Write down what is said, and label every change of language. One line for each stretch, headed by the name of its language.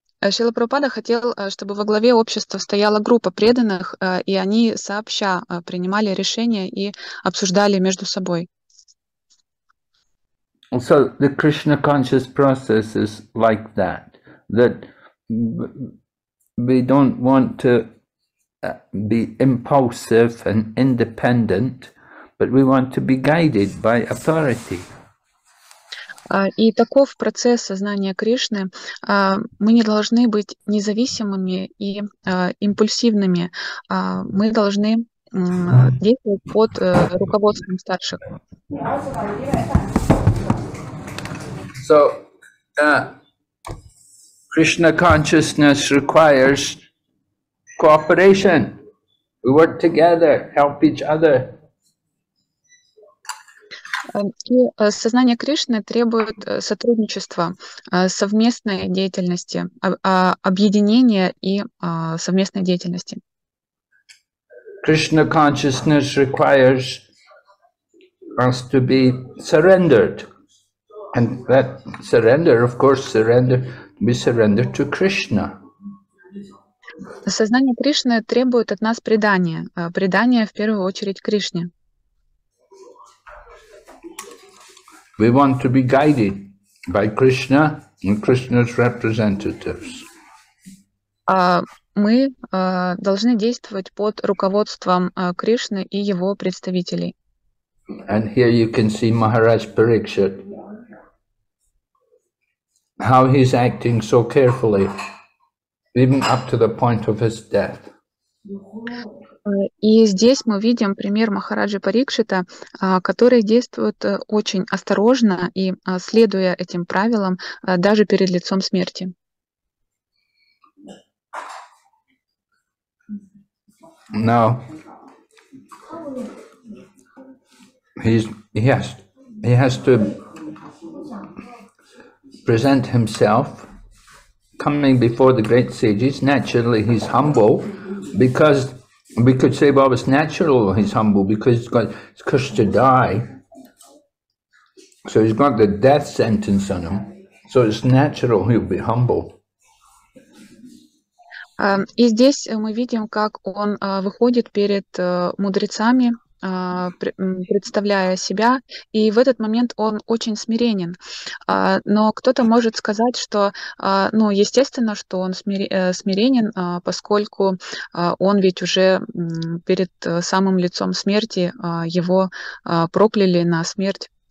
Russian: Шрила Прабхупада хотел, чтобы во главе общества стояла группа преданных, и они сообща принимали решения и обсуждали между собой.
English: So the Krishna conscious process is like that. That we don't want to be impulsive and independent, but we want to be guided by authority.
Russian: И таков процесс сознания Кришны. Мы не должны быть независимыми и импульсивными. Мы должны действовать под руководством старших.
English: So, Krishna consciousness requires cooperation. We work together, help each other.
Russian: И сознание Кришны требует сотрудничества, совместной деятельности, объединения и совместной деятельности.
English: Krishna consciousness requires us to be surrendered. And that surrender, of course, surrender, we surrender to Krishna.
Russian: Сознание Кришны требует от нас предания, предания в первую очередь Кришне.
English: We want to be guided by Krishna and Krishna's representatives.
Russian: Мы должны действовать под руководством Кришны и его представителей.
English: And here you can see Maharaj Parikshit. How he's acting so carefully, even up to the point of his death.
Russian: И здесь мы видим пример Махараджи Парикшита, который действует очень осторожно и следуя этим правилам даже перед лицом смерти.
English: Now, he has to present himself coming before the great sages. Naturally, he's humble because we could say, well, it's natural he's humble because he's got cursed to die. So he's got the death sentence on him. So it's natural he'll be humble.
Russian: И здесь мы видим, как он выходит перед мудрецами, представляя себя, и в этот момент он очень смиренен. Но кто-то может сказать, что, ну, естественно, что он смиренен, поскольку он ведь уже перед самым лицом смерти его прокляли на смерть.